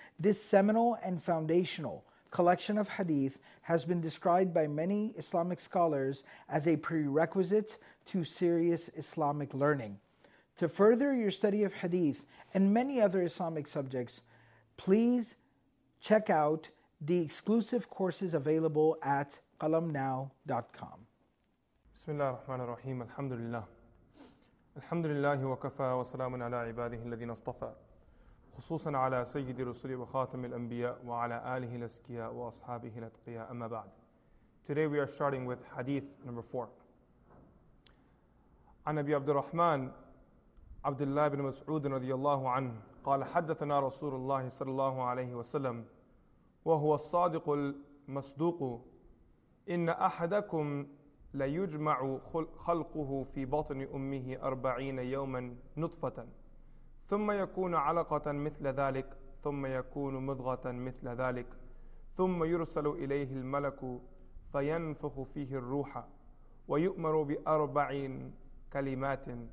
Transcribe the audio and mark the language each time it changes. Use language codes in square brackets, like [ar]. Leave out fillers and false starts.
[en] This seminal and foundational collection of hadith has been described by many Islamic scholars as a prerequisite to serious Islamic learning. To further your study of hadith and many other Islamic subjects, please check out the exclusive courses available at qalamnow.com. [ar] بسم الله الرحمن الرحيم الحمد لله الحمد لله وكفى وسلام على عباده الذين اصطفى خصوصا على سيد الرسل وخاتم الأنبياء وعلى آله الأسكياء وأصحابه الأتقياء أما بعد. [en] Today we are starting with hadith number 4. [ar] عن أبي عبد الرحمن عبد الله بن مسعود رضي الله عنه قال حدثنا رسول الله صلى الله عليه وسلم وهو الصادق المصدوق إن أحدكم ليجمع خلقه في بطن أمه 40 يوما نطفة ثم يكون علقة مثل ذلك ثم يكون مضغة مثل ذلك ثم يرسل إليه الملك فينفخ فيه الروح ويؤمر بأربعين كلمات